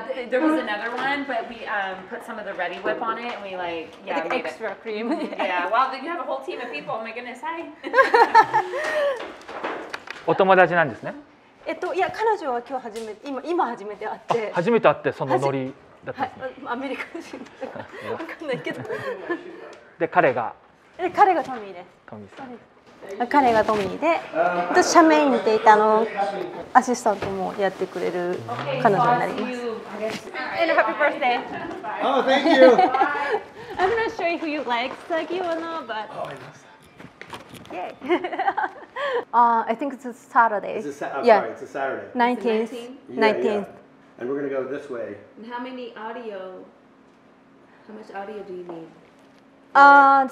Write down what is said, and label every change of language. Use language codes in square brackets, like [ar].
[en] There was another one, but we put some of the Ready Whip on it and we like, yeah, like extra cream. Yeah, wow, then you have a whole team of people. Oh my goodness, hi! [ja] お友達なんですね。いや彼女は今日初めて、今初めて会って、初めて会ってそのノリだったんですね、はい、アメリカ人わかんないけど。で彼が、で彼がトミーです。トミーさん、彼がトミーで、私社メインでいたのアシスタントもやってくれる彼女になります。 [en] And happy birthday. Oh, thank you. I'm not sure if you like Sagi or not, but yayI think it's a Saturday. It's a Saturday. Yeah. Sorry, it's a Saturday. 19th. Yeah, 19th. Yeah. And we're going to go this way. And how many audio? How much audio do you need?